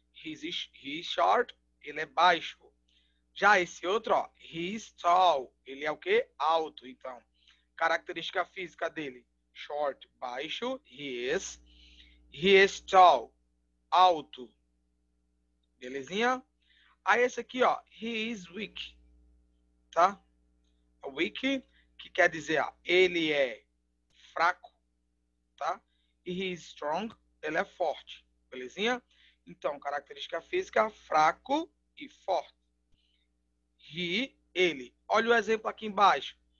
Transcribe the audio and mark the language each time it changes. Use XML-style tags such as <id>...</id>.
<en>He's short,</en> <pt>ele é baixo. Já esse outro, ó,</pt> <en>he's tall,</en> <pt>ele é o quê? Alto. Então, característica física dele: short, baixo;</pt> <en>he is tall,</en> <pt>alto. Belezinha? Aí esse aqui, ó,</pt> <en>he is weak,</en> <pt>tá? Weak, que quer dizer, ó, ele é fraco, tá? E</pt> <en>he is strong,</en> <pt>ele é forte. Belezinha? Então, característica física: fraco e forte. He, ele. Olha o exemplo aqui embaixo.</pt>